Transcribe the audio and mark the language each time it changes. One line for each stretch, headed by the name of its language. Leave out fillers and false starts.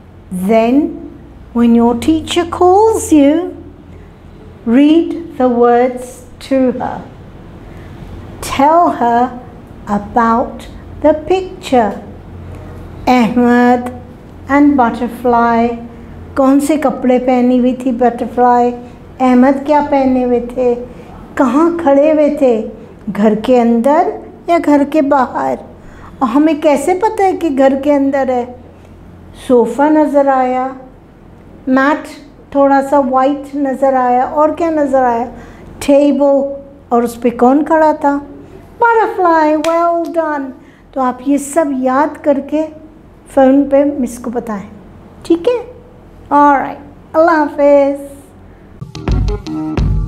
English: Then, when your teacher calls you, read the words to her. Tell her about the picture. Ahmed and butterfly.
Urdu: کون سے کپڑے پہنی ہوئی تھی butterfly؟ Ahmad کیا پہنے ہوئے تھے؟ کہاں کھڑے ہوئے تھے؟ گھر کے اندر یا گھر کے باہر؟ اور ہمیں کیسے پتا ہے کہ گھر کے اندر ہے؟ صوفہ نظر آیا۔ میٹ تھوڑا سا white نظر آیا اور کیا نظر آیا؟ ٹیبل اور اس پہ کون کھڑا تھا؟
English: Butterfly, well done.
Urdu: تو آپ یہ سب یاد کر کے فون پہ مس کو بتائے۔ ٹھیک ہے؟
English: All right.
Urdu: اللہ حافظ۔